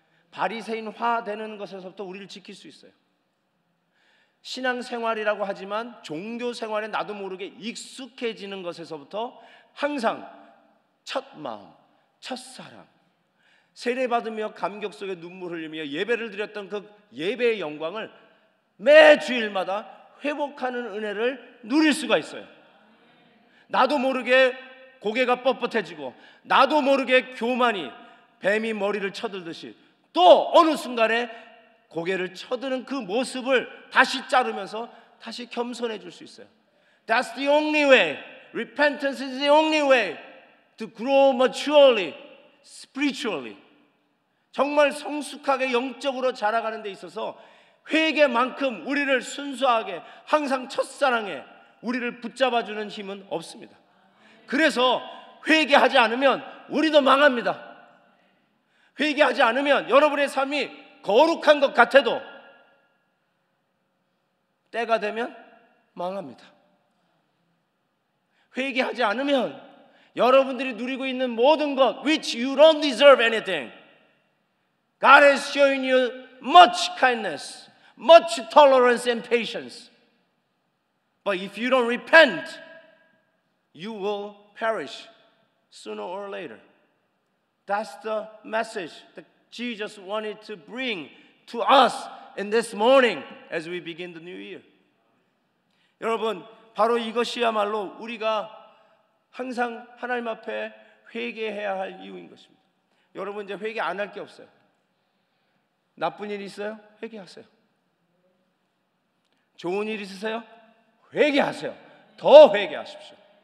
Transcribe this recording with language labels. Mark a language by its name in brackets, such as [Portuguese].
[Korean] 바리새인화 되는 것에서부터 우리를 지킬 수 있어요. 신앙생활이라고 하지만 종교생활에 나도 모르게 익숙해지는 것에서부터 항상 첫 마음, 첫사랑, 세례받으며 감격 속에 눈물 흘리며 예배를 드렸던 그 예배의 영광을 매 주일마다 회복하는 은혜를 누릴 수가 있어요. 나도 모르게 고개가 뻣뻣해지고 나도 모르게 교만이 뱀이 머리를 쳐들듯이 또 어느 순간에 고개를 쳐드는 그 모습을 다시 자르면서 다시 겸손해 줄 수 있어요. [English] That's the only way. Repentance is the only way to grow maturely, spiritually. [Korean] 정말 성숙하게 영적으로 자라가는 데 있어서 회개만큼 우리를 순수하게 항상 첫사랑에 우리를 붙잡아주는 힘은 없습니다. 그래서 회개하지 않으면 우리도 망합니다. 회개하지 않으면 여러분의 삶이 거룩한 것 같아도 때가 되면 망합니다. 회개하지 않으면 여러분들이 누리고 있는 모든 것 [English] which you don't deserve anything. God has shown you much kindness, much tolerance and patience. But if you don't repent, you will perish sooner or later. That's the message that Jesus wanted to bring to us in this morning as we begin the new year. [Korean] 여러분, 바로 이것이야말로 우리가 항상 하나님 앞에 회개해야 할 이유인 것입니다. 여러분, 이제 회개 안 할 게 없어요. 나쁜 일 있어요? 회개하세요. 좋은 일 있으세요? 회개하세요. 더 회개하십시오.